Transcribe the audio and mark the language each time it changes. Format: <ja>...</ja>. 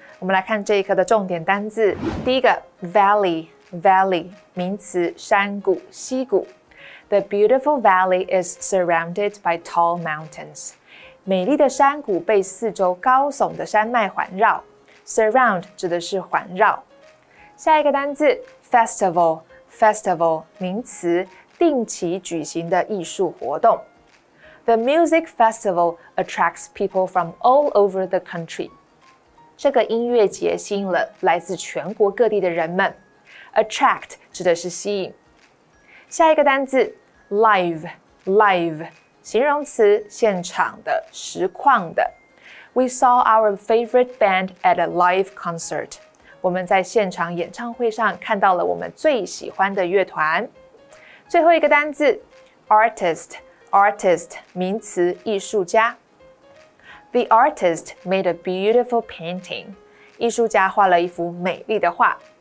<zh>我们来看这一课的重点单字。第一个 ,Valley, Valley, 名词山谷溪谷。</zh> <en>The beautiful valley is surrounded by tall mountains.</en> <zh>美丽的山谷被四周高耸的山脉环绕。 Surround 指的是环绕。下一个单字 ,Festival, Festival, 名词定期举行的艺术活动。</zh> <en>The music festival attracts people from all over the country.</en> <zh>这个音乐节吸引了来自全国各地的人们。 Attract 指的是吸引。下一个单字 ，live， live， 形容词，现场的，实况的。</zh> <en>We saw our favorite band at a live concert.</en> <zh>我们在现场演唱会上看到了我们最喜欢的乐团。最后一个单字 ，artist， artist， 名词，艺术家。</zh> <en>The artist made a beautiful painting.</en> <zh>艺术家画了一幅美丽的画。</zh>